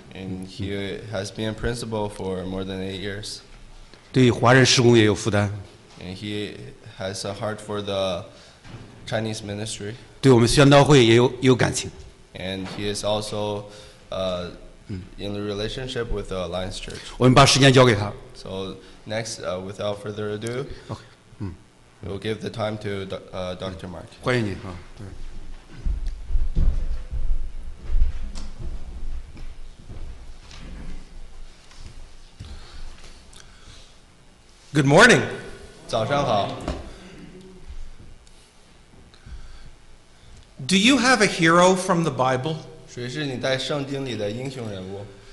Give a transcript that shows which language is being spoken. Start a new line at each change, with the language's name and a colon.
English: And he has been principal for more than 8 years.
Chinese: 对华人施工也有负担。
English: And he has a heart for the Chinese ministry.
Chinese: 对我们宣道会也有感情。
English: And he is also in the relationship with the Alliance Church.
Chinese: 我们把时间交给他。
English: So next, without further ado, we'll give the time to Dr. Mark.
Chinese: 欢迎你。
English: Good morning.
Chinese: 早上好。
English: Do you have a hero from the Bible?
Chinese: 谁是你在圣经里的英雄人物？